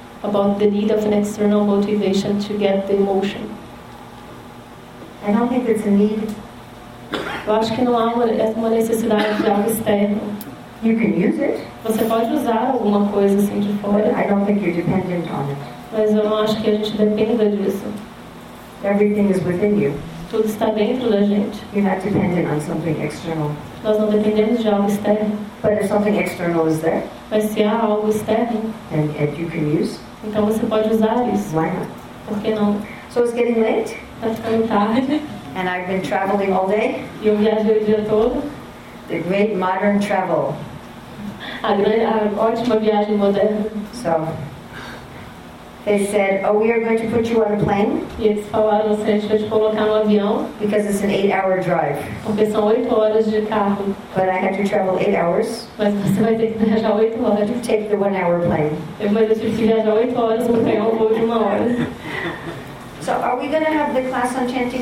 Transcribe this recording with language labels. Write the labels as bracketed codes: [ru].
[en] About the need of an external motivation to get the emotion. I don't think it's a need. [pt] Eu acho que não há uma necessidade de algo externo. [en] You can use it. [pt] Você pode usar alguma coisa assim de fora. [en] I don't think you're dependent on it. [pt] Mas eu não acho que a gente dependa disso. [en] Everything is within you. [pt] Tudo está dentro da gente. [en] You're not dependent on something external. [pt] Nós não dependemos de algo externo. [en] But if something external is there, [pt] mas se há algo externo, [en] and you can use, [pt] então você pode usar isso. [en] Why not? [pt] Por que não? [en] So it's getting late. [pt] Está ficando tarde. [en] And I've been traveling all day. [pt] E eu viajei o dia todo. [en] The great modern travel. [pt] A ótima viagem moderna. [en] So they said, oh, we are going to put you on a plane. [pt] E eles falaram, a gente vai te colocar no avião. [en] Because it's an 8-hour drive. [pt] Porque são 8 horas de carro. [en] But I had to travel 8 hours. [pt] Mas você vai ter que viajar 8 horas. To [en] take the 1-hour plane. [pt] Mas eu tive que viajar 8 horas porque eu vou de 1 hora. [en] So are we going to have the class on chanting?